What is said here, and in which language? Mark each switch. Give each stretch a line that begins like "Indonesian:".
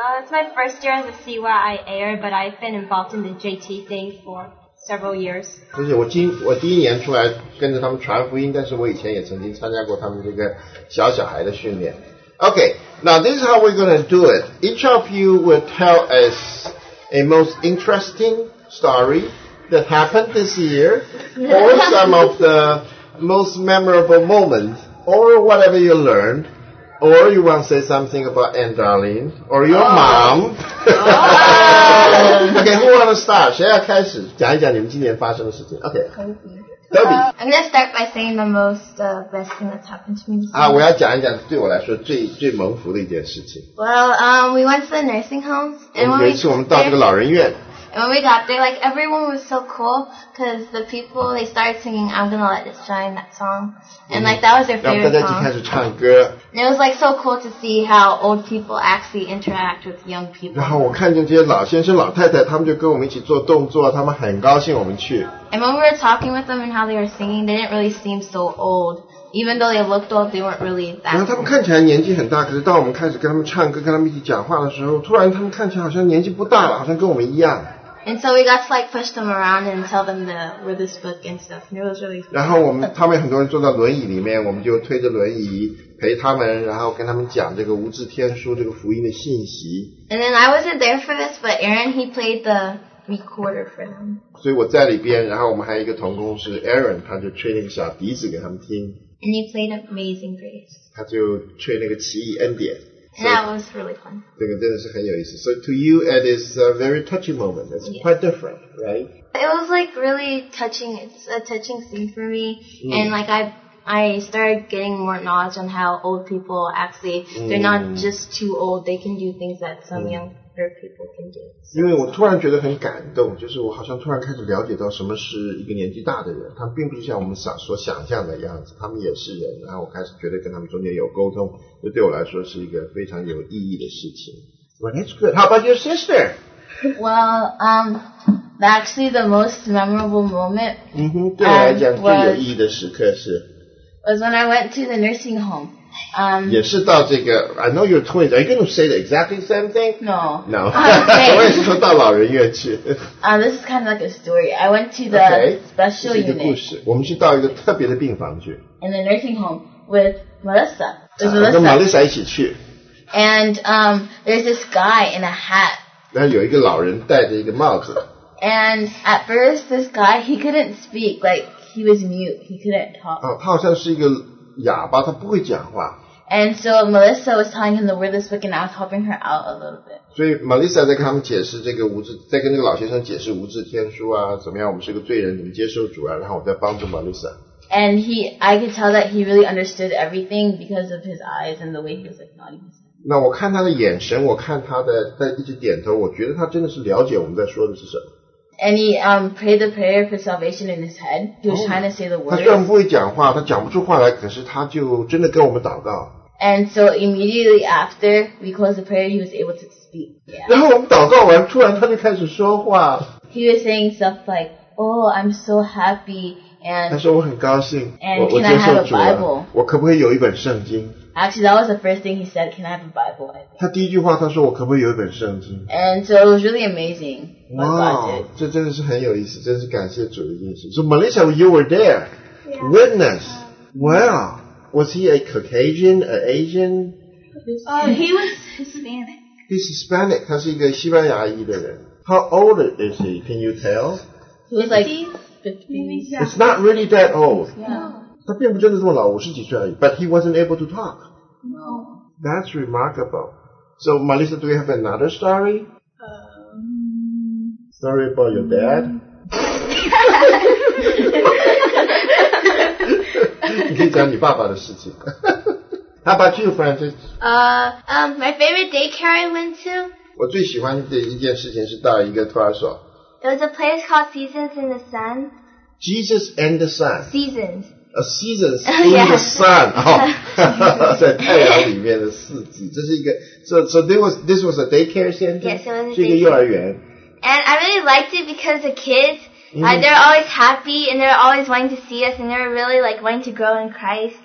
English: It's my first year as a CYA, but I've been involved in the JT thing for several years.
Chinese: 就是我第一年出来跟着他们传福音，但是我以前也曾经参加过他们这个小小孩的训练。
English: Okay, now this is how we're going to do it. Each of you will tell us a most interesting story that happened this year, or some of the most memorable moments. Or whatever you learned, or you want to say something about Anne Darling, or your mom. Okay, who want to start?
Chinese: 谁要开始讲一讲你们今年发生的事情 ？Okay.
English: Toby. I'm gonna start by saying the most best thing that's happened to me this year.
Chinese: 我要讲一讲对我来说最蒙福的一件事情。
English: Well, we went to the nursing home.
Chinese: 我们有一次我们到这个老人院。
English: And when we got there, like, everyone was so cool because the people, they started singing, I'm Gonna Let It Shine, that song. And, like, that was their favorite song.
Chinese: 然后大家就开始唱歌。
English: And it was, like, so cool to see how old people actually interact with young people.
Chinese: 然后我看见这些老先生老太太, 他们就跟我们一起做动作, 他们很高兴我们去。
English: And when we were talking with them and how they were singing, they didn't really seem so old. Even though they looked old, they weren't really that.
Chinese: 然后他们看起来年纪很大, 可是当我们开始跟他们唱歌, 跟他们一起讲话的时候, 突然他们看起来好像年纪不大了,好像跟我们一样。
English: And so we got to like push them around and tell them the this book and stuff. And it was really fun.
Chinese: 然后我们他们很多人坐在轮椅里面, 我们就推着轮椅, 陪他们, 然后跟他们讲这个无字天书, 这个福音的信息。
English: And then I wasn't there for this, but Aaron, he played the recorder for them.
Chinese: 所以我在里边, 然后我们还有一个同工是 Aaron, 他就吹那个小笛子给他们听。
English: And he played Amazing Grace.
Chinese: 他就吹那个奇异恩典。
English: And that was really fun.
Chinese: 这个真的是很有意思.
English: So to you, it is a very touching moment. It's quite different, right? It was like really touching. It's a touching scene for me. Mm. And like I started getting more knowledge on how old people actually, they're not just too old. They can do things that some younger people can do. So.
Chinese: 因为我突然觉得很感动, 就是我好像突然开始了解到什么是一个年纪大的人, 他们并不是像我们所想象的样子, 他们也是人, 然后我开始觉得跟他们中间有沟通, 这对我来说是一个非常有意义的事情。
English: Well, that's good. How about your sister? Well, actually the most memorable moment
Chinese: 对我来讲最有意义的时刻是
English: was when I went to the nursing home.
Chinese: 也是到这个,
English: I know you're 20, are you going to say the exactly same thing? No.
Chinese: No. Okay. 我也是说到老人院去。
English: This is kind of like a story. I went to the special unit.
Chinese: 这是一个故事, 我们是到一个特别的病房去。
English: In the nursing home with Melissa.
Chinese: 跟Melissa一起去。
English: And there's this guy in a hat.
Chinese: 然后有一个老人戴着一个帽子。
English: And at first, this guy, he couldn't speak, like, he was mute, he couldn't talk.
Chinese: 他好像是一个 哑巴, 他不会讲话。
English: And so Melissa was telling him the word this book, and I was helping her out a little bit.
Chinese: 所以Melissa在跟他们解释这个无字, 在跟那个老先生解释无字天书啊, 怎么样我们是个罪人, 怎么接受主啊, 然后我在帮助Melissa。
English: And I could tell that he really understood everything because of his eyes and the way he was like nodding his head.
Chinese: 那我看他的眼神, 我看他的一直点头, 我觉得他真的是了解我们在说的是什么。
English: And he prayed the prayer for salvation in his head. He was trying to say the words.
Chinese: 他虽然不会讲话, 他讲不出话来, 可是他就真的跟我们祷告。
English: And so immediately after we closed the prayer, he was able to speak. Yeah.
Chinese: 然后我们祷告完, 突然他就开始说话。
English: He was saying stuff like, oh, I'm so happy. And
Chinese: 他说我很高兴,
English: and
Chinese: 我,
English: can I have a Bible?
Chinese: 我可不可以有一本圣经?
English: Actually, that was the first thing he said, can I have a Bible?
Chinese: 他第一句话, 他说我可不可以有一本圣经?
English: And so it was really amazing.
Chinese: Wow, 这真的是很有意思, 真是感谢主的意思。
English: So Melissa, you were there. Yeah. Witness. Wow. Was he a Caucasian, an Asian? He was Hispanic. He's Hispanic.
Chinese: 他是一个西班牙裔的人。
English: How old is he? Can you tell? He was like 50. It's not really that old. No.
Chinese: 他并不真的这么老, 50几岁而已,
English: but he wasn't able to talk. No. That's remarkable. So Melissa, do we have another story? Sorry about your dad. How about you, Francis? My favorite daycare I went to.
Chinese: 我最喜欢的一件事情是到一个托儿所。
English: There was a place called Seasons in the Sun. Jesus and the Sun. Seasons. A Seasons in the Sun. Oh,
Chinese: 在太阳里面的四季, 这是一个,
English: so this was a daycare center. Yes, it was.
Chinese: 是一个幼儿园。
English: And I really liked it because the kids, they're always happy and they're always wanting to see us and they're really like wanting to grow in Christ.